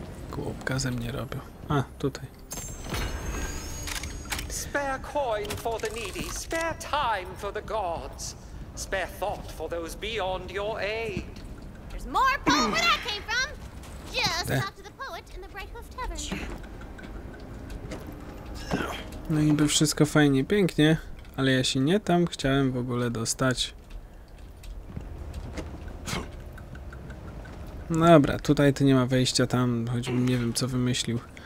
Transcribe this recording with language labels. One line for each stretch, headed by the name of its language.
Polish: Głupka ze mnie robią. A, tutaj.
English: Spare coin for the needy, spare time for the gods, spare thought for those beyond your aid. There's more poem where that came from! Just talk to the poet in the Bright Hoof Tavern.
Polish: No niby wszystko fajnie, pięknie, ale ja się nie tam chciałem w ogóle dostać. No dobra, tutaj to nie ma wejścia, tam choćbym nie wiem co wymyślił.